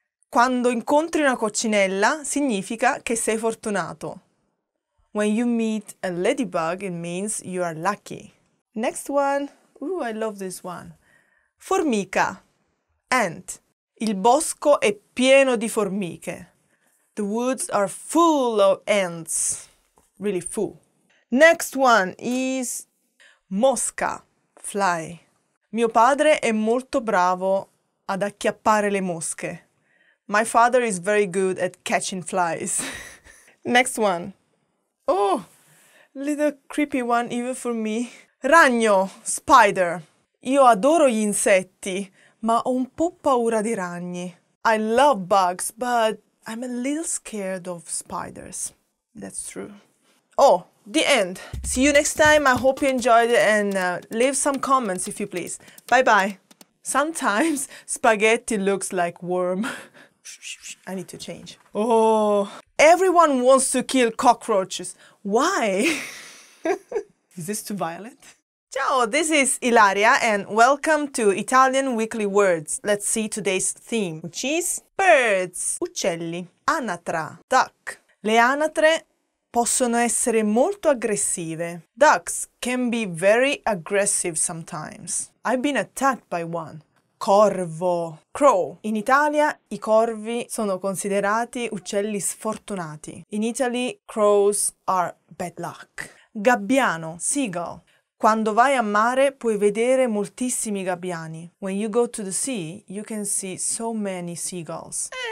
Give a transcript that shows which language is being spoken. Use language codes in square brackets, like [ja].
[it] Quando incontri una coccinella, significa che sei fortunato. [en] When you meet a ladybug, it means you are lucky. Next one. Ooh, I love this one. Formica. Ant. [it] Il bosco è pieno di formiche. [en] The woods are full of ants. Really full. Next one is mosca. Fly. [it] Mio padre è molto bravo ad acchiappare le mosche. [en] My father is very good at catching flies. Next one. Oh, little creepy one even for me. Ragno, spider. [it] Io adoro gli insetti, ma ho un po' paura di ragni. [en] I love bugs, but I'm a little scared of spiders. That's true. The end. See you next time. I hope you enjoyed it and leave some comments if you please. Bye-bye. Sometimes spaghetti looks like worm. I need to change. Everyone wants to kill cockroaches. Why? Is this too violent? Ciao, this is Ilaria and welcome to Italian Weekly Words. Let's see today's theme, which is birds, uccelli, anatra, duck. [it] Le anatre possono essere molto aggressive. [en] Ducks can be very aggressive sometimes. I've been attacked by one. Corvo, crow. [it] In Italia i corvi sono considerati uccelli sfortunati. [en] In Italy crows are bad luck. Gabbiano, seagull. [it] Quando vai a mare puoi vedere moltissimi gabbiani. [en] When you go to the sea, you can see so many seagulls.